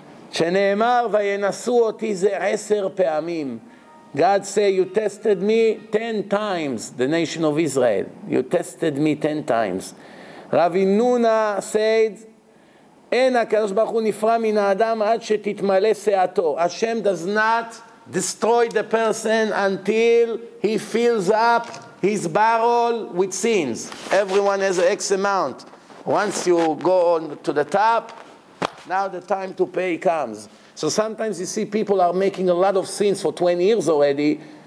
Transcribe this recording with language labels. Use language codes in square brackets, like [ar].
[he] שנאמר וינסו אותי זה 10 פעמים. [en] God say, you tested me 10 times, the nation of Israel. You tested me 10 times. [he] רבי נונה said, אין הקדוש ברוך הוא נפרע מן האדם עד שתתמלא שעתו. [en] Hashem does not destroy the person until he fills up his barrel with sins. Everyone has X amount. Once you go on to the top, now the time to pay comes. So sometimes you see people are making a lot of sins for 20 years already.